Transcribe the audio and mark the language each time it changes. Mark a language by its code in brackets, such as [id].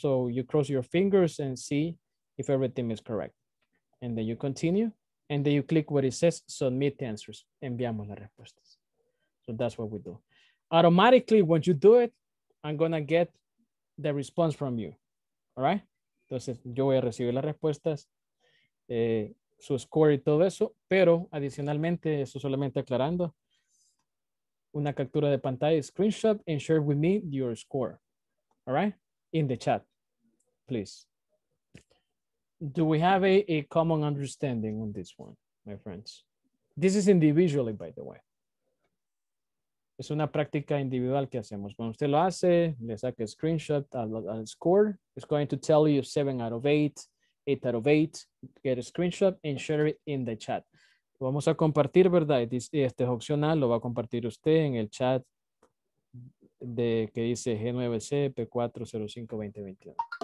[en] So you cross your fingers and see if everything is correct. And then you continue. And then you click where it says submit the answers. [es] Enviamos las respuestas. [en] So that's what we do. Automatically, when you do it, I'm going to get the response from you. All right? [es] Entonces, yo voy a recibir las respuestas, su score y todo eso. Pero adicionalmente, eso solamente aclarando, una captura de pantalla, [en] screenshot, and share with me your score. All right? In the chat, please. Do we have a common understanding on this one, my friends? This is individually, by the way. [es] Es una práctica individual que hacemos. Cuando usted lo hace, le saca screenshot al score. [en] It's going to tell you 7 out of 8, 8 out of 8. Get a screenshot and share it in the chat. [es] Vamos a compartir, ¿verdad? Este es opcional, lo va a compartir usted en el chat de que dice G9C P4052021.